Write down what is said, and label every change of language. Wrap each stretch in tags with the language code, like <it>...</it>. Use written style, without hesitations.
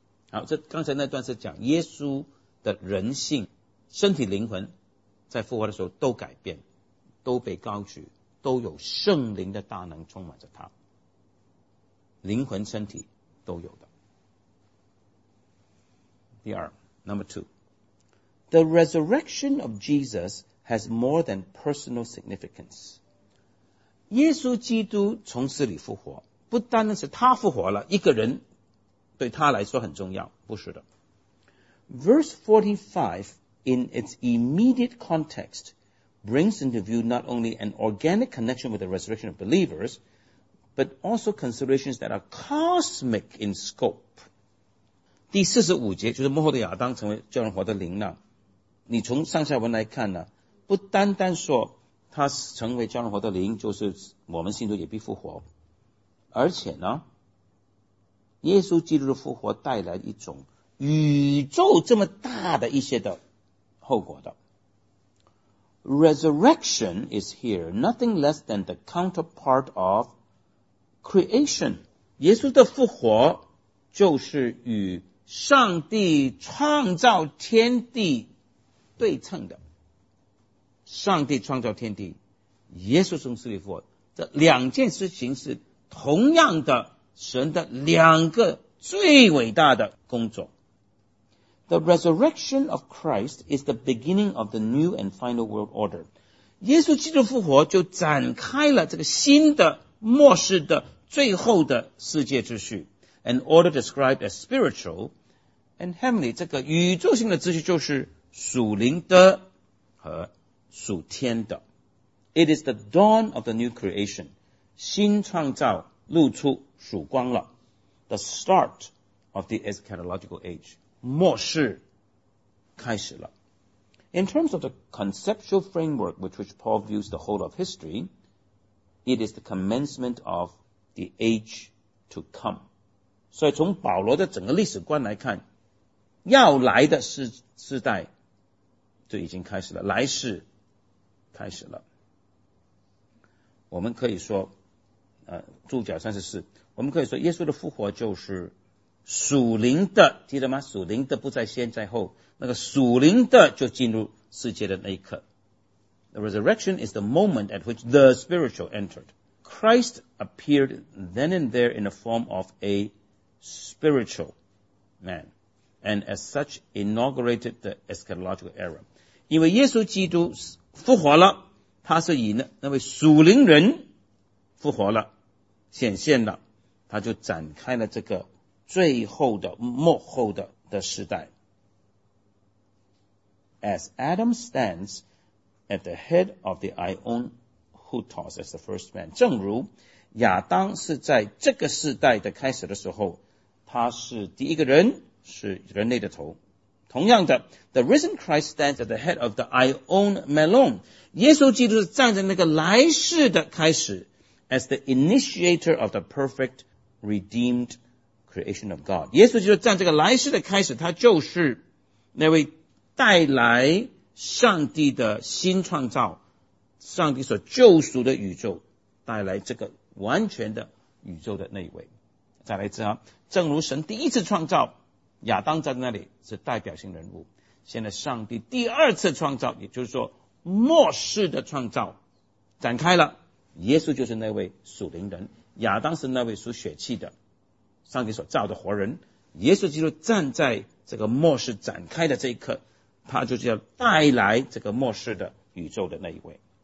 <zh>好，这刚才那段是讲耶稣的人性、身体、灵魂在复活的时候都改变，都被高举，都有圣灵的大能充满着他，灵魂、身体都有的。第二</zh> <en>，Number two, the resurrection of Jesus has more than personal significance.</en> <zh>耶稣基督从死里复活，不单单是他复活了，一个人对他来说很重要，不是的。</zh> <en>Verse 45 in its immediate context brings into view not only an organic connection with the resurrection of believers, but also considerations that are cosmic in scope.</en> <zh>第四十五节就是幕后的亚当成为叫人活的灵了，你从上下文来看呢，不单单说他成为叫人活的灵，就是我们信徒也必复活，而且呢，耶稣基督的复活带来一种宇宙这么大的一些的后果的。</zh> <en>Resurrection is here nothing less than the counterpart of creation.</en> <zh>耶稣的复活就是与上帝创造天地对称的，上帝创造天地，耶稣从死里复活，这两件事情是同样的，神的两个最伟大的工作。</zh> <en>The resurrection of Christ is the beginning of the new and final world order.</en> <zh>耶稣基督复活就展开了这个新的末世的最后的世界秩序。</zh> <en>An order described as spiritual and heavenly,</en> <zh>这个宇宙性的秩序就是属灵的和属天的。</zh> <en>It is the dawn of the new creation,</en> <zh>新创造露出曙光了。</zh> <en>The start of the eschatological age,</en> <zh>末世开始了。</zh> <en>In terms of the conceptual framework with which Paul views the whole of history, it is the commencement of the age to come.</en> <zh>所以从保罗的整个历史观来看，要来的世代就已经开始了，来世开始了。我们可以说，注脚34，我们可以说耶稣的复活就是属灵的，记得吗？属灵的不在先在后，那个属灵的就进入世界的那一刻。</zh> <en>The resurrection is the moment at which the spiritual entered. Christ appeared then and there in the form of a spiritual man, and as such inaugurated the eschatological era.</en> <zh>因为耶稣基督复活了，他是以那位属灵人复活了，显现了，他就展开了这个最后的末后的时代。</zh> <en>As Adam stands at the head of the Ion Hutos as the first man,</en> <zh>正如亚当是在这个时代的开始的时候，他是第一个人，是人类的头。同样的</zh> <en>,the risen Christ stands at the head of the Ion Melon,</en> <zh>耶稣基督是站在那个来世的开始</zh> <en>,as the initiator of the perfect redeemed creation of God.</en> <zh>耶稣基督站这个来世的开始，他就是那位带来上帝的新创造，上帝所救赎的宇宙，带来这个完全的宇宙的那一位。再来一次啊，正如神第一次创造亚当在那里是代表性人物，现在上帝第二次创造，也就是说末世的创造展开了，耶稣就是那位属灵人，亚当是那位属血气的，上帝所造的活人，耶稣基督站在这个末世展开的这一刻，他就是要带来这个末世的宇宙的那一位。</zh>